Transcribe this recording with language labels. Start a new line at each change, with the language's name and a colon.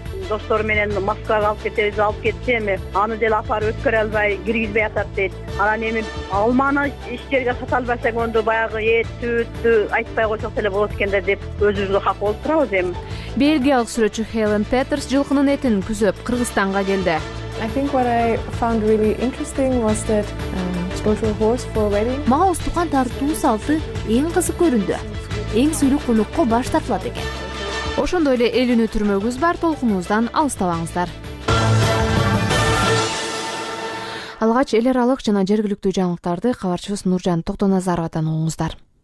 Kyrgyz: достору менен Москвага алып кетебиз, алып кетсем аны деле апарып өткөрө албай, киргизбей атат дейт. Анан эми алманы эч жерге сата албаса экөндү, баягы эт сүттү айтпай койсок деле болот экен да деп өзүбүзгө капа болуп турабыз. Эми бельгиялык сүрөтчү Хелен Петерс жылкынын этин күзөп Кыргызстанга келди.
English: I think what I found really interesting was that special horse for wedding.
Kyrgyz: Мага устукан тартуу салты эң кызык көрүндү. Эң сүйлүк конукко баш тартылат экен. Ошондой эле эл үнү түрмөгүбүз бар, толкунубуздан алыстабаңыздар. Алгач эл аралык жана жергиликтүү жаңылыктарды кабарчыбыз Нуржан Токтоназаровадан угуңуздар.